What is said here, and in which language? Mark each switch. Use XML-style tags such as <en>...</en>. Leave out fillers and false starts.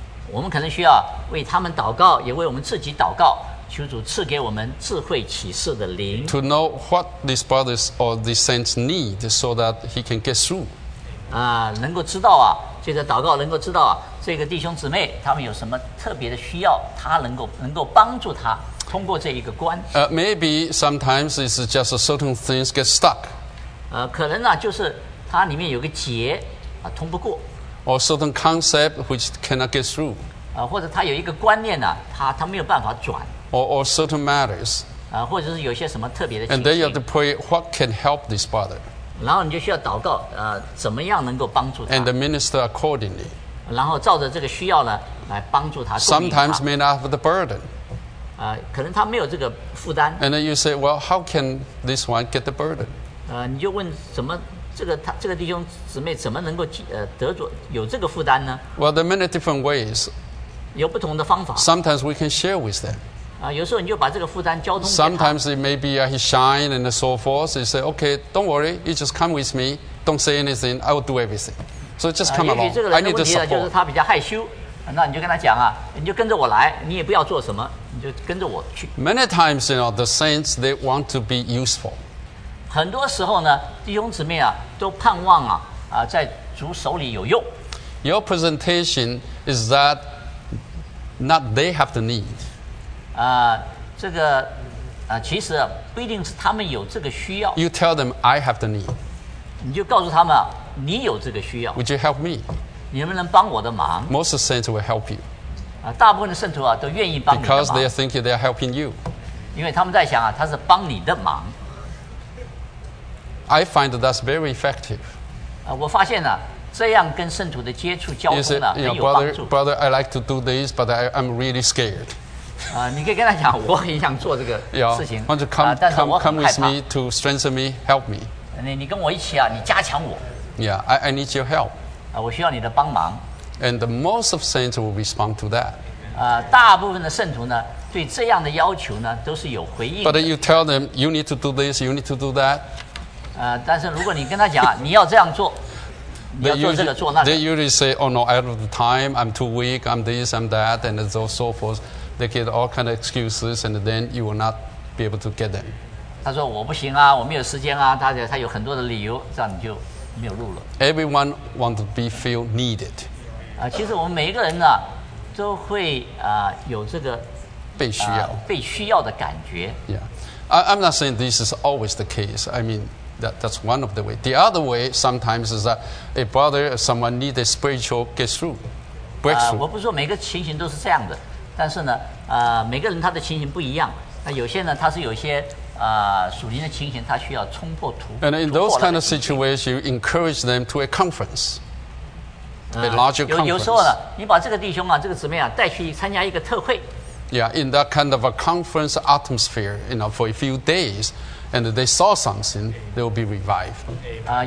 <zh>我们可能需要为他们祷告，也为我们自己祷告，求主赐给我们智慧启示的灵。</zh> <en>To know what these brothers or these saints need so that he can get through.</en> <zh>能够知道啊，借着祷告能够知道啊，这个弟兄姊妹他们有什么特别的需要，他能够帮助他。通过这一个关系</zh> <en>maybe sometimes it's just a certain things get stuck.</en> <zh>可能呢、就是它里面有个结、通不过。</zh> <en>Or certain concept which cannot get through.</en> <zh>或者它有一个观念呢、它没有办法转。</zh> <en>Or certain matters.</en> <zh>或者是有些什么特别的情形。</zh> <en>And then you have to pray what can help this brother.</en> <zh>然后你就需要祷告、怎么样能够帮助他。</zh> <en>And the minister accordingly.</en> <zh>然后照着这个需要呢来帮助他。</zh> <en>Sometimes may not have the burden.</en> <zh>可能他没有这个负担。</zh> <en>And then you say, well, how can this one get the burden?</en> <zh>你就问怎么这个弟兄姊妹怎么能够得着有这个负担呢？</zh> <en>Well, there are many different ways.</en> <zh>有不同的方法。</zh> <en>Sometimes we can share with them.</en> <zh>有时候你就把这个负担交通给他。</zh> <en>Sometimes it may be he shine and so forth. You say, okay, don't worry, you just come with me. Don't say anything. I will do everything. So just come along.</en> <zh>也许这个人的问题呢，就是他比较害羞。那你就跟他讲啊，你就跟着我来，你也不要做什么，你就跟着我去。</zh> <en>Many times, you know, the saints they want to be useful.</en> <zh>很多时候呢，弟兄姊妹啊，都盼望啊在主手里有用。</zh> <en>Your presentation is that not they have the need.</en> <zh>其实不一定是他们有这个需要。</zh> <en>You tell them I have the need.</en> <zh>你就告诉他们你有这个需要。</zh> <en>Would you help me?</en> <zh>你能不能帮我的忙？</zh> <en>Most saints will help you.</en> <zh>大部分的圣徒都愿意帮你的忙。</zh> <en>Because they are thinking they are helping you.</en> <zh>因为他们在想他是帮你的忙。</zh> <en>I find that's very effective.</en> <zh>我发现这样跟圣徒的接触交通很有帮助。</zh> <en>Brother, I like to do this, but I'm really scared.</en> <zh>你可以跟他讲，我很想做这个事情。</zh> <en>Yeah, want to come with me to strengthen me, help me.</en> <zh>你跟我一起你加强我。</zh> <en>Yeah, I need your help.</en> <zh>我需要你的帮忙。</zh> <en>And the most of saints will respond to that.</en> <zh>大部分的圣徒呢，对这样的要求呢，都是有回应的。</zh> <en>But you tell them you need to do this, you need to do that.</en> <zh>但是如果你跟他讲你要这样做。</zh> <en>They usually say, oh no, out of the time, I'm too weak, I'm this, I'm that, and so forth. They get all kinds of excuses, and then you will not be able to get them.</en> <zh>他说我不行我没有时间他有很多的理由，这样你就没有路了。</zh> <en>Everyone wants to be feel needed.</en> <zh>其实我们每一个人都会有这个被需要的感觉。 Yeah.</zh> <en>I'm not saying this is always the case. I mean,That's one of the ways. The other way sometimes is that a brother or someone needs a spiritual breakthrough.</en> <zh>我不是说每个情形都是这样的，但是呢，每个人他的情形不一样。那有些呢，他是有些属灵的情形，他需要冲破突破。</zh> <en>And in those kind of situations, you encourage them to a conference, a larger conference.</en> <zh>有时候呢，你把这个弟兄这个姊妹带去参加一个特会。</zh> <en>Yeah, in that kind of a conference atmosphere, for a few days. And they saw something, they will be revived.</en>